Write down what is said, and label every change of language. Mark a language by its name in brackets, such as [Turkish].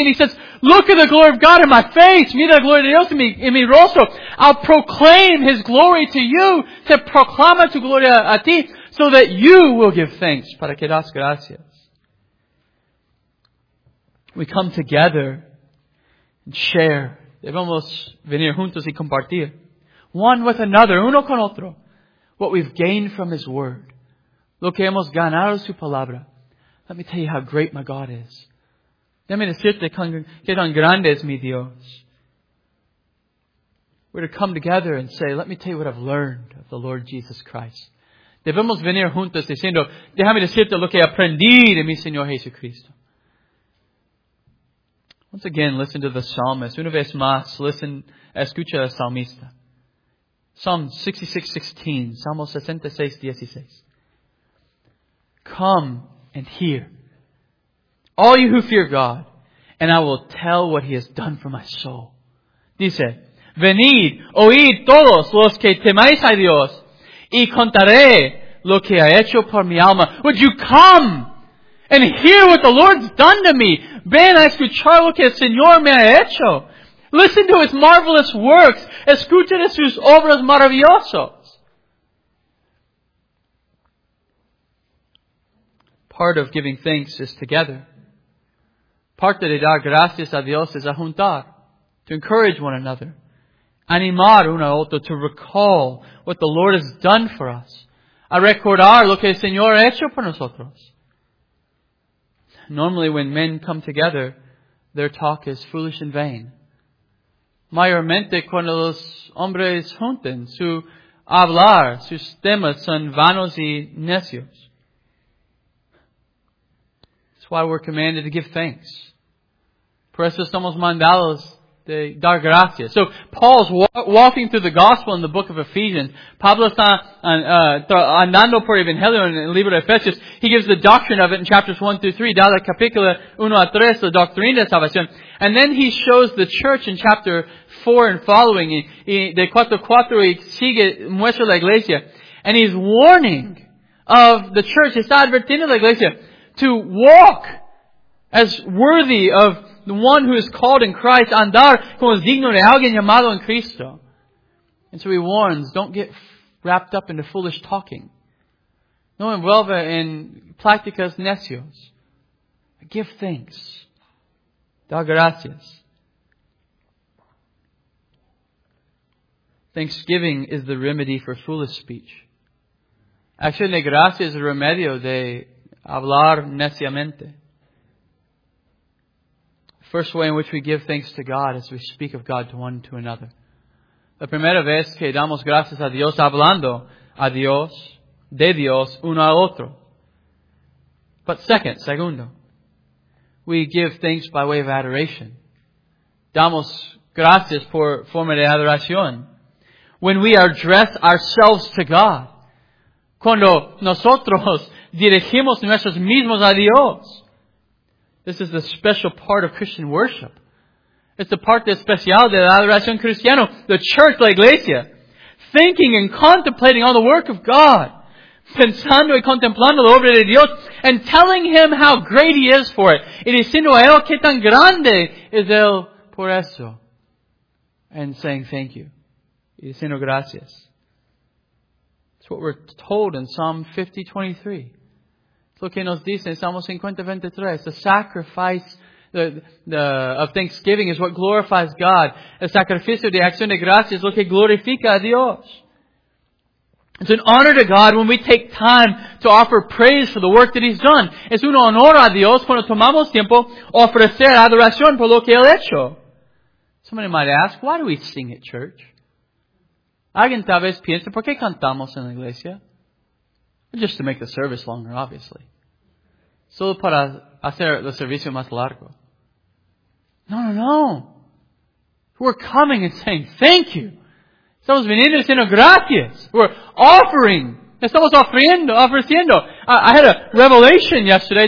[English] And he says, look at the glory of God in my face. [Spanish] Mira la gloria de Dios en mi rostro. [English] I'll proclaim His glory to you. [Spanish] Te proclama tu gloria a ti. [English] So that you will give thanks, [Spanish] para que das gracias. [English] We come together and share. [Spanish] Debemos venir juntos y compartir. [English] One with another, [Spanish] uno con otro. [English] What we've gained from His Word. [Spanish] Lo que hemos ganado su palabra. [English] Let me tell you how great my God is. [Spanish] Déjame decirte qué tan grande es mi Dios. [English] We're to come together and say, let me tell you what I've learned of the Lord Jesus Christ. [Spanish] Debemos venir juntos diciendo, déjame decirte lo que aprendí de mi Señor Jesucristo. [English] Once again, listen to the psalmist. [Spanish] Una vez más, listen, escucha al salmista. [English] Psalm 66:16. Come and hear, all you who fear God, and I will tell what He has done for my soul. [Spanish] Dice, venid, oíd todos los que temáis a Dios, y contaré lo que ha hecho por mi alma. [English] Would you come and hear what the Lord's done to me? [Spanish] Ven a escuchar lo que el Señor me ha hecho. [English] Listen to His marvelous works. [Spanish] Escuchen sus obras maravillosas. [English] Part of giving thanks is together. [Spanish] Parte de dar gracias a Dios es a juntar. [English] To encourage one another. [Spanish] Animar uno a otro. [English] To recall what the Lord has done for us. [Spanish] A recordar lo que el Señor ha hecho por nosotros. [English] Normally when men come together, their talk is foolish and vain. [Spanish] mayormente cuando los hombres junten su hablar, sus temas son vanos y necios. [English] That's why we're commanded to give thanks. [Spanish] Por eso estamos mandados de dar gracias. [English] So, Paul's walking through the gospel in the book of Ephesians. [Spanish] Pablo está andando por Evangelio en el libro de Efesios. [English] He gives the doctrine of it in chapters 1 through 3. [Spanish] Da la capítulo 1 a 3, la doctrina de salvación. [English] And then he shows the church in chapter 4 and following. [Spanish] De 4 a 4, y sigue, muestra la iglesia. [English] And he's warning of the church. [Spanish] Está advirtiendo la iglesia [English] to walk as worthy of the one who is called in Christ, [Spanish] andar como es digno de alguien llamado en Cristo. [English] And so he warns, don't get wrapped up into foolish talking. [Spanish] No envuelva en pláticas necios. [English] Give thanks. [Spanish] Da gracias. [English] Thanksgiving is the remedy for foolish speech. [Spanish] Acción de gracias es el remedio de hablar neciamente. [English] First way in which we give thanks to God is we speak of God to one to another. [Spanish] La primera vez que damos gracias a Dios hablando a Dios, de Dios, uno a otro. [English] But segundo, we give thanks by way of adoration. [Spanish] Damos gracias por forma de adoración. [English] When we address ourselves to God, [Spanish] cuando nosotros dirigimos nuestros mismos a Dios. [English] This is the special part of Christian worship. It's the part that's [Spanish] especial de la adoración cristiana, [English] the church, [Spanish] la iglesia. [English] Thinking and contemplating on the work of God. [Spanish] Pensando y contemplando la obra de Dios. [English] And telling Him how great He is for it. [Spanish] Y diciendo a Él que tan grande es Él por eso. [English] And saying thank you. [Spanish] Y diciendo gracias. [English] It's what we're told in Psalm 50:23. Lo que nos dice en Salmo 50:23, the sacrifice of thanksgiving is what glorifies God. [Spanish] El sacrificio de acción de gracias es lo que glorifica a Dios. [English] It's an honor to God when we take time to offer praise for the work that He's done. [Spanish] Es un honor a Dios cuando tomamos tiempo ofrecer adoración por lo que Él ha hecho. [English] Somebody might ask, why do we sing at church? [Spanish] Alguien tal vez piensa, ¿por qué cantamos en la iglesia? [English] Just to make the service longer, obviously. [Spanish] Solo para hacer el servicio más largo. [English] No. We're coming and saying thank you. [Spanish] Estamos viniendo diciendo gracias. [English] We're offering. [Spanish] Estamos ofreciendo. [English] I had a revelation yesterday.